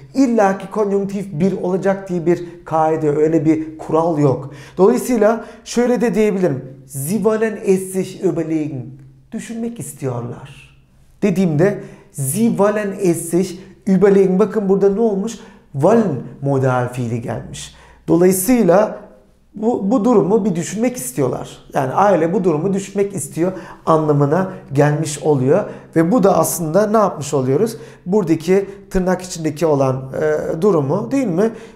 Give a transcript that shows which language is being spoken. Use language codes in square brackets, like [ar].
[tr] İlla ki konjunktif bir olacak diye bir kaide, öyle bir kural yok. Dolayısıyla şöyle de diyebilirim. [de] Sie wollen es sich überlegen. [tr] Düşünmek istiyorlar. Dediğimde [de] Sie wollen es sich überlegen. [tr] Bakın burada ne olmuş? Wollen modal fiili gelmiş. Dolayısıyla bu durumu bir düşünmek istiyorlar. Yani aile bu durumu düşünmek istiyor anlamına gelmiş oluyor. Ve bu da aslında ne yapmış oluyoruz? Buradaki tırnak içindeki olan durumu, değil mi?